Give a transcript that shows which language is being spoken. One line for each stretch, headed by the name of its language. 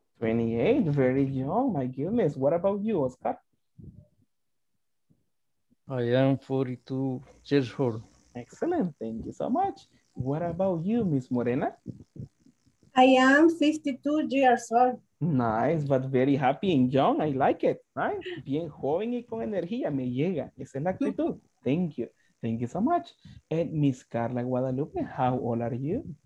English: 28, very young, my goodness. What about you, Oscar? I am 42 years old. Excellent, thank you so much. What about you, Miss Morena? I am 52 years old. Nice, but very happy and young, I like it, right?
Spanish: Bien joven y con energía, me llega, esa es la actitud.
English: Thank you so much. And Miss Carla Guadalupe, how old are you?